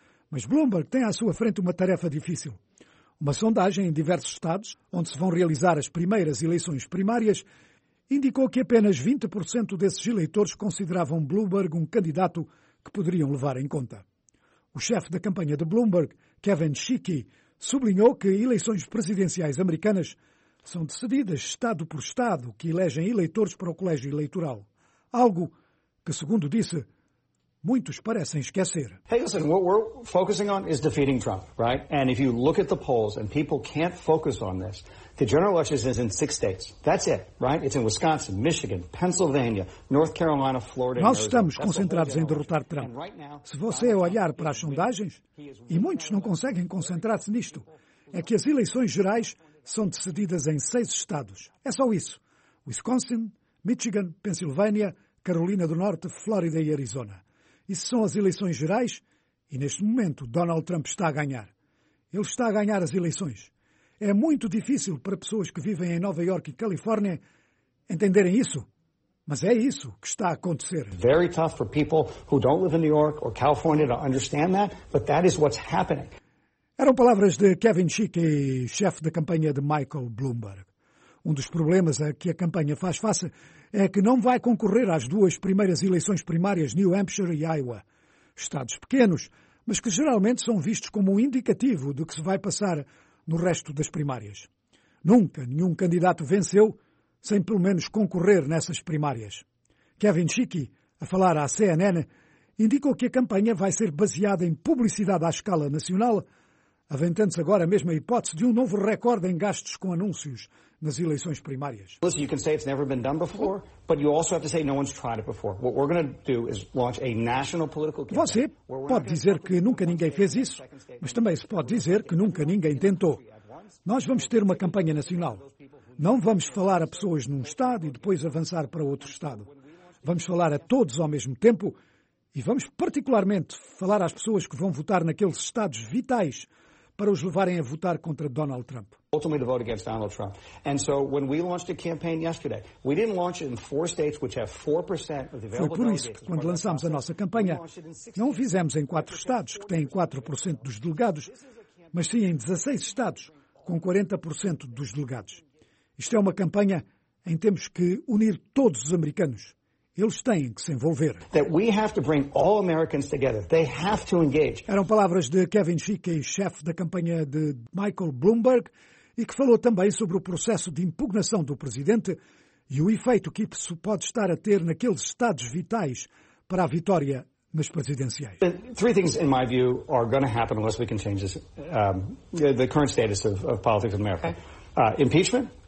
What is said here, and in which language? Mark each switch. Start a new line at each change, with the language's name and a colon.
Portuguese: Mas Bloomberg tem à sua frente uma tarefa difícil. Uma sondagem em diversos estados, onde se vão realizar as primeiras eleições primárias, indicou que apenas 20% desses eleitores consideravam Bloomberg um candidato que poderiam levar em conta. O chefe da campanha de Bloomberg, Kevin Shickey, sublinhou que eleições presidenciais americanas são decididas estado por estado, que elegem eleitores para o colégio eleitoral. Algo que, segundo disse, muitos parecem esquecer.
English: Hey, listen, what we're focusing on is defeating Trump, right? And if you look at the polls and people can't focus on this, the general election is in six states. That's it, right? It's in Wisconsin, Michigan, Pennsylvania, North Carolina, Florida.
Portuguese: Nós estamos concentrados em derrotar Trump. Se você olhar para as sondagens, e muitos não conseguem concentrar-se nisto, é que as eleições gerais são decididas em seis estados. É só isso. Wisconsin, Michigan, Pensilvânia, Carolina do Norte, Flórida e Arizona. Isso são as eleições gerais e, neste momento, Donald Trump está a ganhar. Ele está a ganhar as eleições. É muito difícil para pessoas que vivem em Nova York e Califórnia entenderem isso. Mas é isso que está a acontecer.
English: Very tough for people who don't live in New York or California to understand that, but that is what's happening.
Portuguese: Eram palavras de Kevin Shickey, chefe da campanha de Michael Bloomberg. Um dos problemas a que a campanha faz face é que não vai concorrer às duas primeiras eleições primárias, New Hampshire e Iowa. Estados pequenos, mas que geralmente são vistos como um indicativo do que se vai passar no resto das primárias. Nunca nenhum candidato venceu sem pelo menos concorrer nessas primárias. Kevin Shickey, a falar à CNN, indicou que a campanha vai ser baseada em publicidade à escala nacional, aventando-se agora a mesma hipótese de um novo recorde em gastos com anúncios nas eleições primárias.
English: Listen, you can say it's never been done before, but you also have to say no one's tried it before. What we're going to do is launch a national political campaign.
Portuguese: Você pode dizer que nunca ninguém fez isso, mas também se pode dizer que nunca ninguém tentou. Nós vamos ter uma campanha nacional. Não vamos falar a pessoas num estado e depois avançar para outro estado. Vamos falar a todos ao mesmo tempo e vamos particularmente falar às pessoas que vão votar naqueles estados vitais para os levarem a votar contra Donald Trump.
English: Ultimately, vote against Donald Trump. And so, when we launched a campaign yesterday, we didn't launch it in four states which have 4% of the available.
Portuguese: Foi por isso que quando lançámos a nossa campanha, não fizemos em quatro estados que têm 4% dos delegados, mas sim em 16 estados com 40% dos delegados. Isto é uma campanha em que temos que unir todos os americanos. Eles têm que se envolver.
English: That we have to bring all Americans together. They have to engage.
Portuguese: Eram palavras de Kevin Shikey, chefe da campanha de Michael Bloomberg, e que falou também sobre o processo de impugnação do presidente e o efeito que isso pode estar a ter naqueles estados vitais para a vitória nas presidenciais.
English: Three things, in my view, are going to happen unless we can change this, the current status of politics in America. Impeachment.